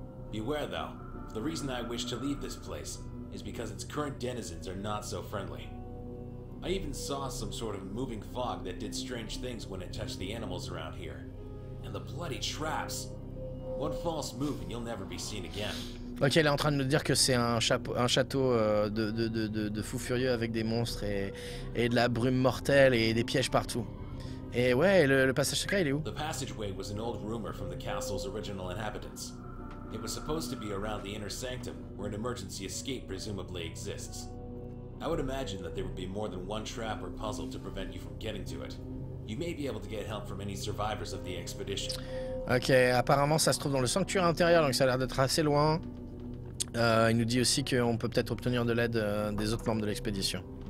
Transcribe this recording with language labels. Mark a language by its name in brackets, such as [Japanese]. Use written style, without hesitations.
[English] Beware though, the reason I wish to leave this place is because its current denizens are not so friendly. I even saw some sort of moving fog that did strange things when it touched the animals around here. And the bloody traps! One false move and you'll never be seen again. [French] Ok, elle est en train de nous dire que c'est un château de fous furieux avec des monstres et de la brume mortelle et des pièges partout. Et ouais, le passage secret, il est où? [English] The passageway was an old rumor from the castle's original inhabitants. It was supposed to be around the inner sanctum, where an emergency escape presumably exists. I would imagine that there would be more than one trap or puzzle to prevent you from getting to it. You may be able to get help from any survivors of the expedition. [French] Ok, apparemment ça se trouve dans le sanctuaire intérieur, donc ça a l'air d'être assez loin. Il nous dit aussi qu'on peut peut-être obtenir de l'aide des autres membres de l'expédition.